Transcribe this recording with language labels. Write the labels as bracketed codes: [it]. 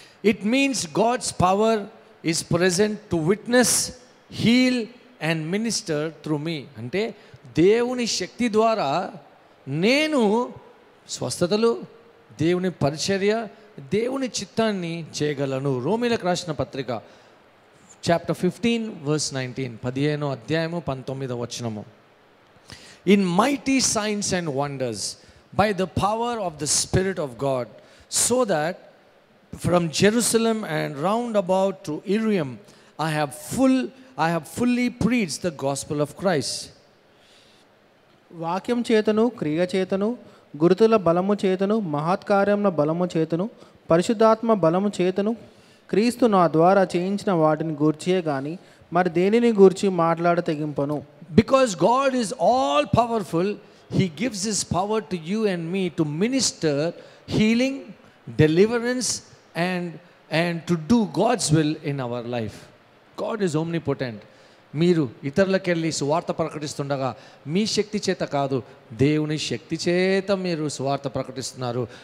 [en] It means God's power is present to witness, heal and minister through me. [te] అంటే దేవుని శక్తి ద్వారా నేను స్వస్థతలు, దేవుని పరిచర్య, దేవుని చిత్తాన్ని చేయగలను. రోమీలకు రాసిన పత్రిక [en] 15:19 15:19 In mighty signs and wonders by the power of the Spirit of God, so that from Jerusalem and round about to Iriam I have fully preached the gospel of Christ. [te] Vakyam chetanu kriya chetanu gurutula balamu chetanu mahatkaryamla balamu chetanu parishuddhaatma balamu chetanu క్రీస్తు నా ద్వారా చేయించిన వాటిని గూర్చియే గాని మరి దేనిని గూర్చి మాట్లాడతగింపను. [en] Because God is all powerful, he gives his power to you and me to minister healing, deliverance and to do God's will in our life. God is omnipotent. [te] మీరు ఇతరులకెళ్ళి సువార్త ప్రకటిస్తుండగా మీ శక్తి చేత కాదు, దేవుని శక్తి చేత మీరు సువార్త ప్రకటిస్తున్నారు.